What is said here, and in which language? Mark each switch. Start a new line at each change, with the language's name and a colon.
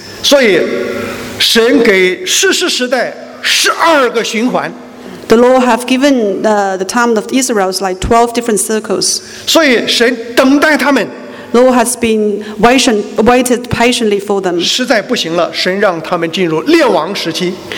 Chinese: 所以，神给世世世代十二个循环。
English: The Lord have given the time of Israel is like 12 different circles.
Chinese: 所以神等待他们。
English: The Lord has been waited patiently for them.
Chinese: 实在不行了，神让他们进入列王时期。